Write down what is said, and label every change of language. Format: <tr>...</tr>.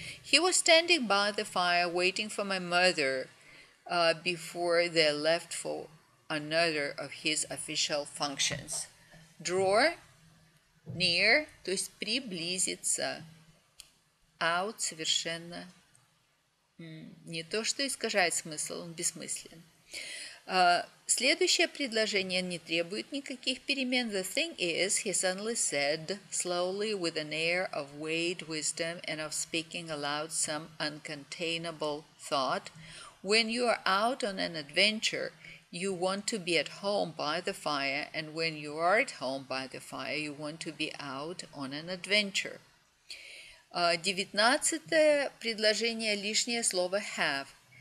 <en>He was standing by the fire waiting for my mother before they left for another of his official functions. Draw near,</en> <ru>то есть приблизиться. Out совершенно не то, что искажает смысл, он бессмыслен. Следующее предложение не требует никаких перемен.</ru> <en>The thing is, he suddenly said, slowly, with an air of weighed wisdom and of speaking aloud some uncontainable thought, when you are out on an adventure, you want to be at home by the fire, and when you are at home by the fire, you want to be out on an adventure.</en> <ru>19-е предложение, лишнее слово have.</ru>